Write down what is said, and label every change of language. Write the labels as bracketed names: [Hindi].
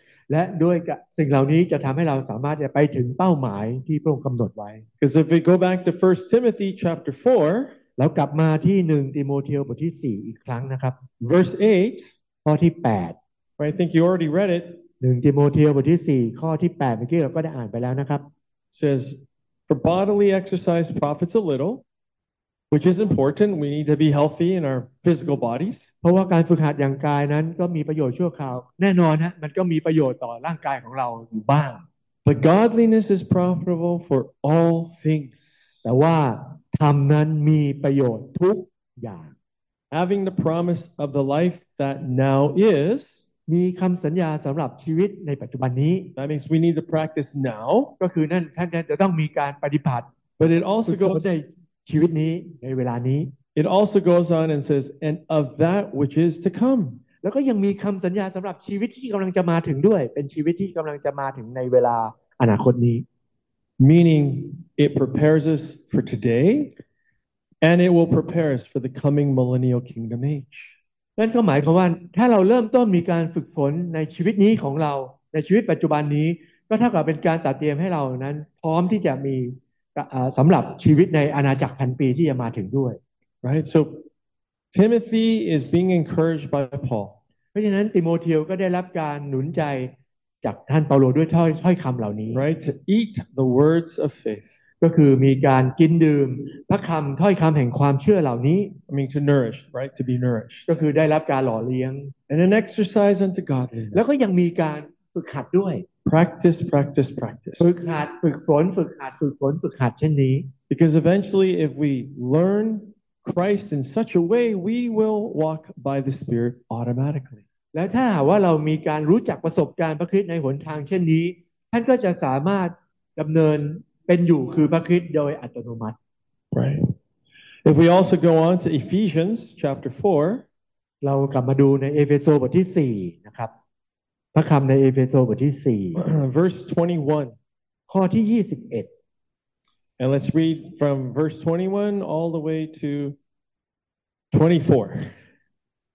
[Thai] และด้วยสิ่งเหล่านี้จะทำให้เราสามารถจะไปถึงเป้าหมายที่พระองค์กำหนดไว้ [English] Because if we go back to 1 Timothy chapter 4 [Thai] แล้วกลับมาที่1ติโมธีบทที่4อีกครั้งนะครับ [English] Verse 8 [Thai] ข้อที่8 [English] I think you already read it [Thai] 1ติโมธีบทที่4ข้อที่8เมื่อกี้เราก็ได้อ่านไปแล้วนะครับ [English] Says for bodily exercise profits a little which is important we need to be healthy in our physical bodies [Thai] เพราะว่าการฝึกหัดอย่างกายนั้นก็มีประโยชน์ชั่วคราวแน่นอนฮะมันก็มีประโยชน์ต่อร่างกายของเราอยู่บ้าง [English] But godliness is profitable for all things [Thai] แต่ว่าธรรมนั้นมีประโยชน์ทุกอย่าง [English] Having the promise of the life that now is [Thai] มีคำสัญญาสำหรับชีวิตในปัจจุบันนี้ [English] That means we need to practice now [Thai] ก็คือนั่นท่านจะต้องมีการปฏิบัติ [English] But it also goes [Thai] ชีวิตนี้ในเวลานี้ [English] It also goes on and says and of that which is to come [Thai] แล้วก็ยังมีคำสัญญาสำหรับชีวิตที่กำลังจะมาถึงด้วยเป็นชีวิตที่กำลังจะมาถึงในเวลาอนาคตนี้ [English] meaning it prepares us for today and it will prepare us for the coming millennial kingdom age [Thai] นั่นก็หมายความว่าถ้าเราเริ่มต้นมีการฝึกฝนในชีวิตนี้ของเราในชีวิตปัจจุบันนี้ก็เท่ากับเป็นการตัดเตรียมให้เรานั้นพร้อมที่จะมีสำหรับชีวิตในอาณาจักรพันปีที่จะมาถึงด้วย [English] right so Timothy is being encouraged by Paul [Thai] เพราะฉะนั้นติโมธีก็ได้รับการหนุนใจจากท่านเปาโลด้วยถ้อยคำเหล่านี้ [English] right to eat the words of faith [Thai] ก็คือมีการกินดื่มพระคำถ้อยคำแห่งความเชื่อเหล่านี้ [English] I mean to nourish right to be nourished [Thai] ก็คือได้รับการหล่อเลี้ยง [English] and an exercise unto godliness [Thai] แล้วก็ยังมีการฝึกหัดด้วย [English] practice practice practice [Thai] ฝึกหัดฝึกฝนฝึกหัดฝึกฝนฝึกหัดเช่นนี้ [English] because eventually if we learn Christ in such a way we will walk by the spirit automatically [Thai] และถ้าหากว่าเรามีการรู้จักประสบการณ์พระคริสต์ในหนทางเช่นนี้ท่านก็จะสามารถดำเนินเป็นอยู่คือพระคริสต์โดยอัตโนมัติ [English] right if we also go on to Ephesians chapter 4 [Thai] เรากลับมาดูในเอเฟซัสบทที่4นะครับพระคำในเอเฟซัสบทที่4 [English] verse 21 [Thai] ข้อที่21 [English] and let's read from verse 21 all the way to 24